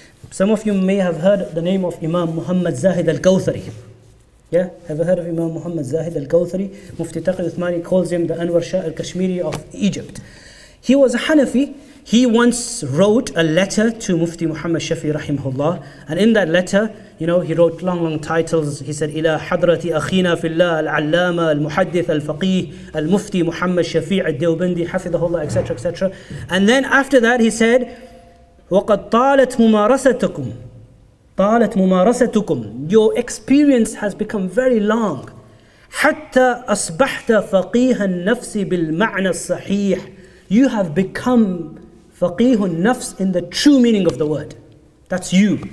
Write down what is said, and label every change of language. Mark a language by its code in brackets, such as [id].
[en] Some of you may have heard the name of Imam Muhammad Zahid al-Kawthari. Yeah? Have you heard of Imam Muhammad Zahid al-Kawthari? Mufti Taqi Uthmani calls him the Anwar Shah al-Kashmiri of Egypt. He was a Hanafi. He once wrote a letter to Mufti Muhammad Shafi rahimahullah. And in that letter, you know, he wrote long, long titles. He said, [ar] إِلَى حَضْرَةِ أَخِينَا فِي اللَّهِ الْعَلَّامَ الْمُحَدِّثَ الْفَقِيهِ الْمُفْتِي مُحَمَّد شَفِيعَ الدَّوْبَنْدِي حَفِظَهُ اللَّهِ [en] etc. etc. And then after that he said, [ar] وَقَدْ طَالَتْ مُمَارَسَتُكُمْ طَالَتْ مُمَارَسَتُكُمْ [en] Your experience has become very long. [ar] حَتَّى أَصْبَحْتَ فَقِيهَ النَّفْسِ بِالْمَعْنَى الصَّحِيحِ [en] You have become faqihun nafs in the true meaning of the word. That's you.